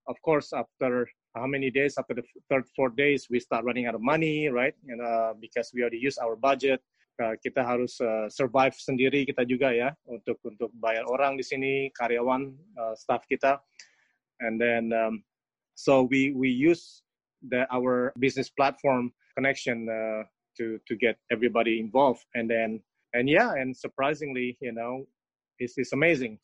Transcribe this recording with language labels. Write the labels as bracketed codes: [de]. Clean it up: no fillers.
[en] Of course, after how many days, after the third, fourth days, we start running out of money, right? And, because we already use our budget. [id] Kita harus survive sendiri kita juga ya, untuk bayar orang di sini, karyawan, staff kita. [en] And then, so we use our business platform connection to get everybody involved. And surprisingly, you know, it's amazing.